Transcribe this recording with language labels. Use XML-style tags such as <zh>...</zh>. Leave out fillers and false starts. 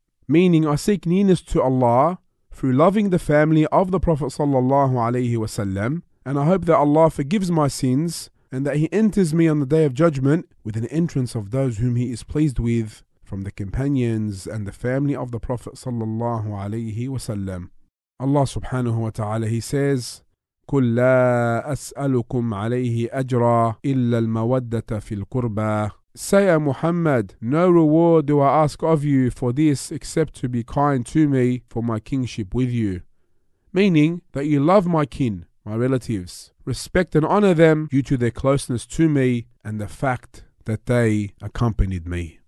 <en>Meaning, I seek nearness to Allah through loving the family of the Prophet sallallahu alayhi wa sallam, and I hope that Allah forgives my sins and that he enters me on the Day of Judgment with an entrance of those whom he is pleased with from the companions and the family of the Prophet sallallahu alayhi wa sallam. Allah subhanahu wa ta'ala, he says,</en> <ar>قل لا أسألكم عليه أجرا إلا المودة في القربة.</ar> <en>Say, O Muhammad, no reward do I ask of you for this except to be kind to me for my kingship with you. Meaning that you love my kin, my relatives, respect and honor them due to their closeness to me and the fact that they accompanied me.</en>